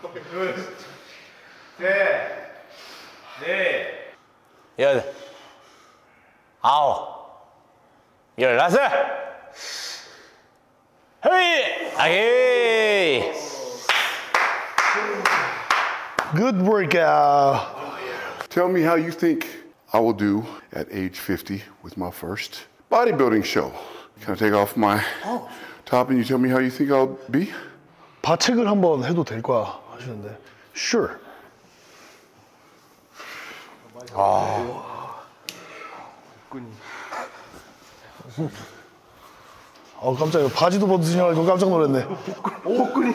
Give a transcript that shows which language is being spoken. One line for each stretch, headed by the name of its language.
Korean: 둘, 셋, 넷, 아홉, 열다섯, 헤이, 아기.
English: Good workout. Tell me how you think I will do at age 50 with my first bodybuilding show. Can I take off my top and you tell me how you think I'll be?
Korean: 바책을 한번 해도 될 거야 하시는데.
English: Sure. 아.
Korean: 어, 깜짝이야. 바지도 벗으신 줄 알고 깜짝 놀랐네. 복근이